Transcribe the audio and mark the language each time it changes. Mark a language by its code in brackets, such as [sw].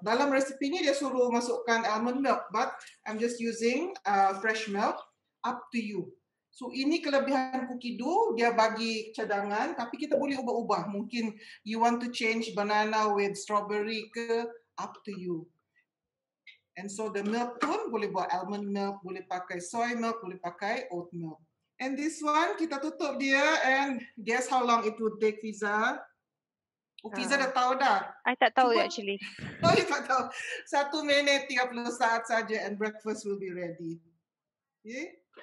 [ms] Dalam resipi ni dia suruh masukkan almond milk, [en] but I'm just using fresh milk. Up to you. [ms] So ini kelebihan cookie dough, dia bagi cadangan tapi kita boleh ubah-ubah. [en] Mungkin you want to change banana with strawberry ke, up to you. And so the milk [ms] pun boleh buat [en] almond milk, boleh pakai soy milk, boleh pakai oat milk. And this one [ms] kita tutup dia, [en] and guess how long it would take, Fiza? [ms] Oh, Fiza dah tahu dah. I tak tahu cuma, actually. [en] Oh, you [ms] tak tahu. 1 minit 30 saat saja [en] and breakfast will be ready. Okay?